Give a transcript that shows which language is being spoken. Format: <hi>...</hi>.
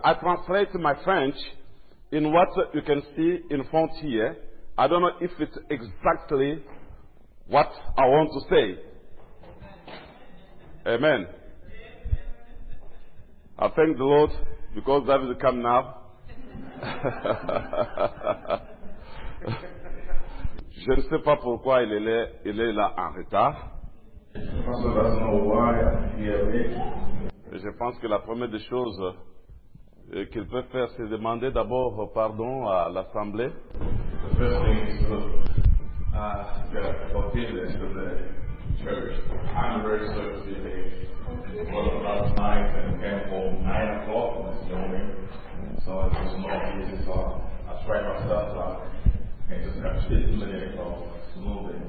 <en>I translate my French in what you can see in front here. I don't know if it's exactly what I want to say. Amen. I thank the Lord because that is coming up.</en> <fr>Je ne sais pas pourquoi il est là en retard. Je pense que la première des choses qu'il peut faire, c'est demander d'abord pardon à l'Assemblée.</fr> <en>The first thing is to ask forgiveness to the church. I'm very sorry to be late. It was last night and came home 9 o'clock in the morning. So it was not easy. So I tried myself to intercept 15 minutes of smoothing.</en>